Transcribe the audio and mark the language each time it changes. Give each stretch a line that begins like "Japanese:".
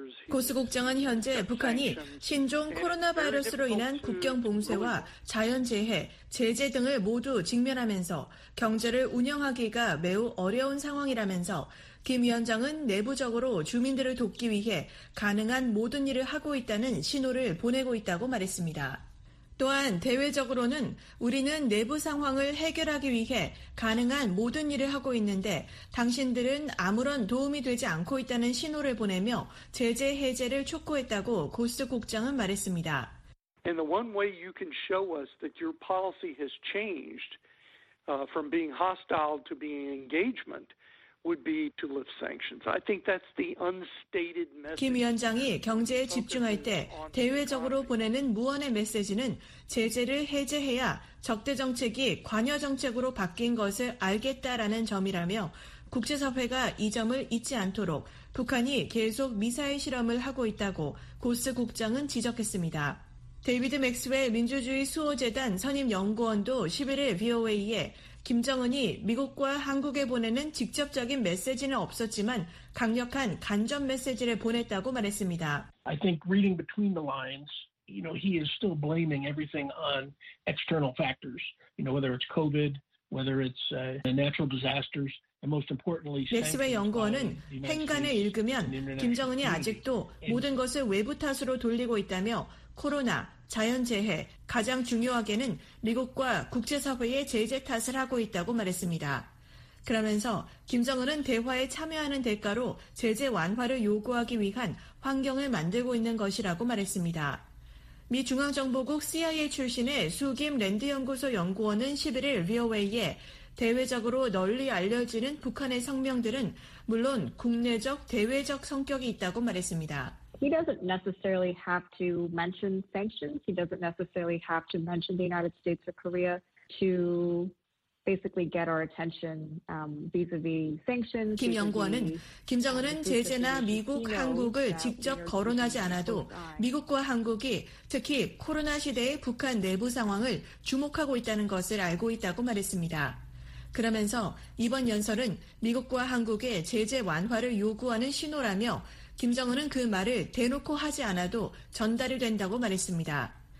Korean: 고스 국장은 현재 북한이 신종 코로나 바이러스로 인한 국경 봉쇄와 자연재해, 제재 등을 모두 직면하면서 경제를 운영하기가 매우 어려운 상황이라면서 김 위원장은 내부적으로 주민들을 돕기 위해 가능한 모든 일을 하고 있다는 신호를 보내고 있다고 말했습니다. 또한 대외적으로는 우리는 내부 상황을 해결하기 위해 가능한 모든 일을 하고 있는데 당신들은 아무런 도움이 되지 않고 있다는 신호를 보내며 제재 해제를 촉구했다고 고스 국장은 말했습니다.
English: And the one way you can show us that your policy has changed from being hostile to being engagement would be to lift sanctions. I think that's the unstated message.
Korean: 김 위원장이 경제에 집중할 때 대외적으로 보내는 무언의 메시지는 제재를 해제해야 적대 정책이 관여 정책으로 바뀐 것을 알겠다라는 점이라며 국제사회가 이 점을 잊지 않도록 북한이 계속 미사일 실험을 하고 있다고 고스 국장은 지적했습니다. 데이비드 맥스웰 민주주의 수호재단 선임 연구원도 11일 VOA에 김정은이 미국과 한국에 보내는 직접적인 메시지는 없었지만 강력한 간접 메시지를 보냈다고 말했습니다.
English: I think reading between the lines, you know, he is still blaming everything on external factors. You know, whether it's COVID, whether it's natural disasters.
Korean: 맥스웰 연구원은 행간을 읽으면 김정은이 아직도 모든 것을 외부 탓으로 돌리고 있다며 코로나, 자연재해, 가장 중요하게는 미국과 국제사회의 제재 탓을 하고 있다고 말했습니다. 그러면서 김정은은 대화에 참여하는 대가로 제재 완화를 요구하기 위한 환경을 만들고 있는 것이라고 말했습니다. 미 중앙정보국 CIA 출신의 수김 랜드연구소 연구원은 11일 VOA에 대외적으로 널리 알려지는 북한의 성명들은 물론 국내적, 대외적 성격이 있다고 말했습니다.
English: He doesn't necessarily have to mention sanctions. He doesn't necessarily have to mention the United States or Korea to basically get our attention vis-a-vis sanctions.
Korean: 김 연구원은 김정은은 제재나 미국, 한국을 직접 거론하지 않아도 미국과 한국이 특히 코로나 시대의 북한 내부 상황을 주목하고 있다는 것을 알고 있다고 말했습니다. 그러면서 이번 연설은 미국과 한국의 제재 완화를 요구하는 신호라며 김정은은 그 말을 대놓고 하지 않아도 전달이 된다고 말했습니다.